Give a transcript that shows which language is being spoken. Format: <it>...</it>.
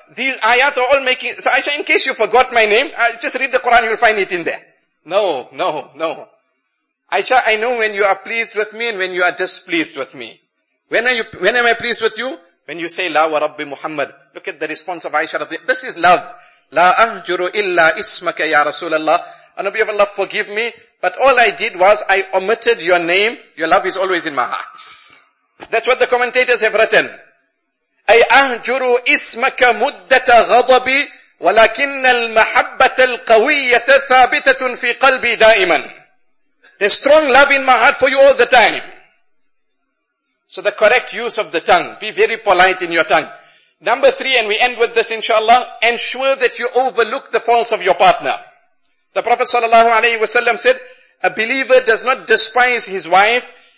<en>These ayat are all making... So Aisha, in case you forgot my name, just read the Quran, you'll find it in there. No. Aisha, I know when you are pleased with me and when you are displeased with me. When am I pleased with you? When you say, La wa Rabbi Muhammad. Look at the response of Aisha. This is love.</en> <ar>لا أهجر إلا اسمك يا رسول الله.</ar> <en>Nabi of Allah, forgive me, but all I did was I omitted your name. Your love is always in my heart. That's what the commentators have written.</en> <ar>أي أهجر اسمك مدة غضبي ولكن المحبة القوية ثابتة في قلبي دائما.</ar> <en>There's strong love in my heart for you all the time. So the correct use of the tongue. Be very polite in your tongue. Number three, and we end with this inshallah, ensure that you overlook the faults of your partner. The Prophet sallallahu alayhi wa sallam said, a believer does not despise his wife.</en>